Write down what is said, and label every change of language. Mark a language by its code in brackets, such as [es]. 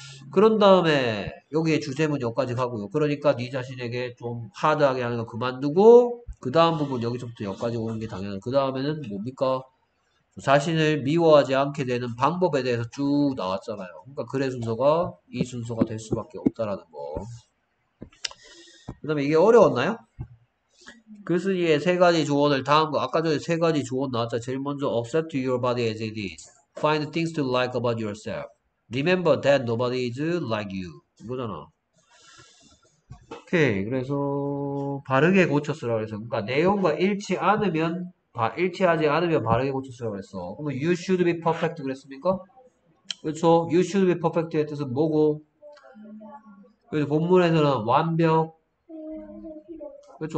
[ko] 그런 다음에 여기에 주제문 여기까지 가고요. 그러니까 네 자신에게 좀 하드하게 하는 거 그만두고 그 다음 부분 여기서부터 여기까지 오는 게 당연한, 그 다음에는 뭡니까, 자신을 미워하지 않게 되는 방법에 대해서 쭉 나왔잖아요. 그러니까 글의 순서가 이 순서가 될 수밖에 없다라는 거. 그 다음에 이게 어려웠나요? 글쓰기의 세 가지 조언을 다음 거, 아까 전에 세 가지 조언 나왔죠. 제일 먼저 [en] accept your body as it is, find things to like about yourself, Remember that nobody is like you. [ko] 이거잖아. 오케이. 그래서 바르게 고쳤으라고 했어. 그러니까 내용과 일치하지 않으면 바르게 고쳤으라고 했어. 그러면 [en] you should be perfect [ko] 그랬습니까? 그렇죠. [en] you should be perfect의 [ko] 뜻은 뭐고? 그래서 본문에서는 완벽. 그렇죠.